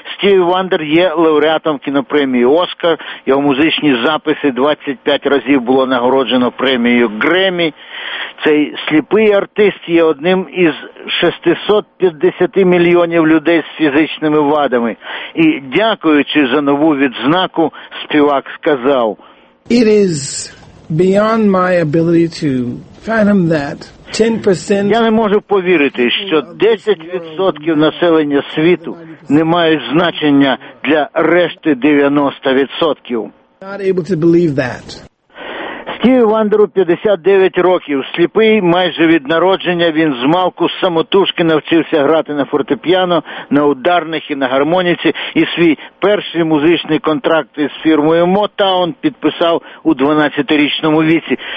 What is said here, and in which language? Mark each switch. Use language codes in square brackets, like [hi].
[uk] Стіві Вандер є лауреатом кінопремії «Оскар», його музичні записи 25 разів було нагороджено премією «Гремі». Цей сліпий артист є одним із 650 мільйонів людей з фізичними вадами. І дякуючи за нову відзнаку, співак сказав: [en] It is beyond my ability to fathom that 10%. [uk] Я не можу повірити, що 10% населення світу не мають значення для решти 90%. [en] Not able to believe that. [uk] Стіві Вандеру 59 років, сліпий майже від народження. Він з малку самотужки навчився грати на фортепіано, на ударних і на гармоніці. І свій перший музичний контракт із фірмою Motown підписав у 12-річному віці.